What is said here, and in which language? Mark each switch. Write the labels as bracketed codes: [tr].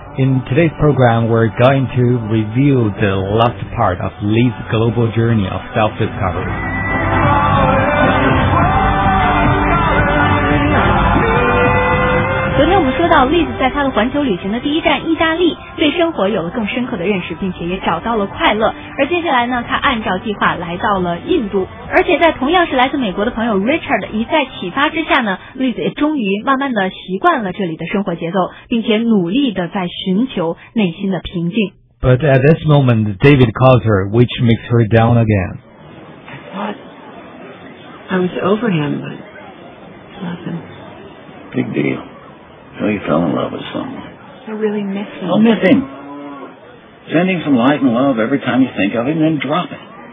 [en] In today's program, we're going to review the last part of Lee's global journey of self-discovery. [zh] 昨天我们说到 Liz 在他的环球旅行的第一站意大利，对生活有了更深刻的认识，并且也找到了快乐。而接下来呢，他按照计划来到了印度，而且在同样是来自美国的朋友 Richard 一再启发之下呢， Liz 也终于慢慢的习惯了这里的生活节奏，并且努力的在寻求内心的平静。 [en] But at this moment David calls her, which makes her down again. I was over him, but nothing. Big dealSo you fell in love with someone. I really miss him. I'll miss him. Sending some light and love every time you think of him, then drop it.